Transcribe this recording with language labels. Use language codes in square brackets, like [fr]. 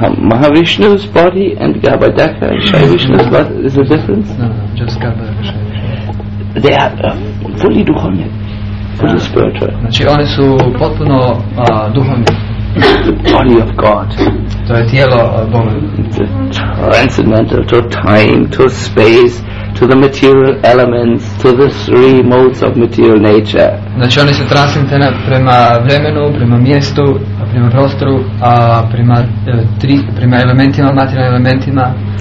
[en] Mahavishnu's body and Garbhadaka and Shai Vishnu's body, is the difference? No, just Garbhadaka and Shai Vishnu. They are fully duhovne, fully spiritual. [hr] Znači oni su potpuno duhovni. [en] Body of God. [hr] To je tijelo Boga. [en] The transcendental to time, to space, to the material elements, to the three modes of material nature. [hr] Znači oni su transcendentne prema vremenu, prema mjestu, prema prostoru, a prema prema elementima, materijalnim elementima.